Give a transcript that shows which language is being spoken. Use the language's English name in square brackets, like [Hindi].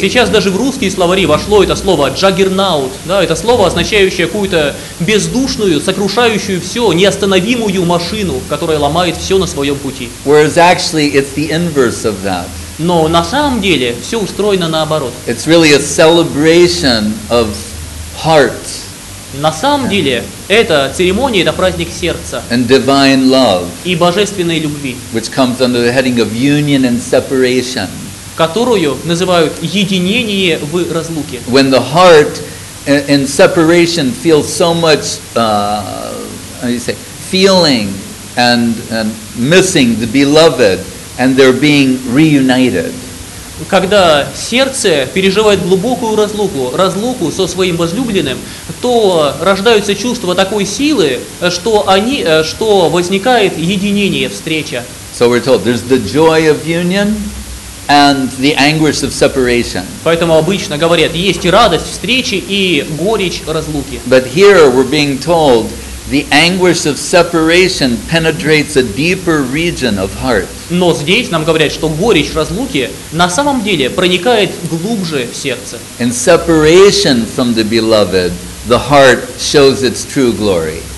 [Russian] Сейчас даже в русские словари вошло это слово juggernaut, да, это слово, означающее какую-то бездушную, сокрушающую все, неостановимую машину, которая ломает все на своем пути. [English] Whereas actually it's the inverse of that. [Russian] Но на самом деле все устроено наоборот. [English] It's really a celebration of heart. [Russian] На самом деле, это церемония, это праздник сердца [English] and divine love, [Russian] и божественной любви, [English] which comes under the heading of union and separation, [Russian] которую называют единение в разлуке. [English] When the heart in separation feels so much, how do you say, feeling and missing the beloved, and they're being reunited. [Russian] Когда сердце переживает глубокую разлуку со своим возлюбленным, то рождаются чувства такой силы, что возникает единение, встреча. [English] So we're told there's the joy of union and the anguish of separation. [Russian] Поэтому обычно говорят, есть радость встречи и горечь разлуки. [English] But here we're being told the anguish of separation penetrates a deeper region of heart. [Russian] Но здесь нам говорят, что горечь разлуки на самом деле проникает глубже в сердце. [English] In separation from the beloved, the heart shows its true glory.